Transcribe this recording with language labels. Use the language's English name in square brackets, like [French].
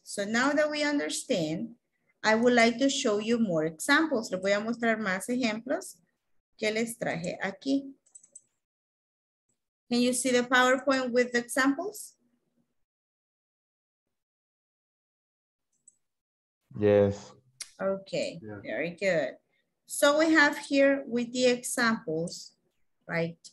[English] So now that we understand, I would like to show you more examples. [Spanish] Les voy a mostrar más ejemplos que les traje aquí. [English] Can you see the PowerPoint with the examples? Yes. Okay, yeah. Very good. So we have here with the examples, right?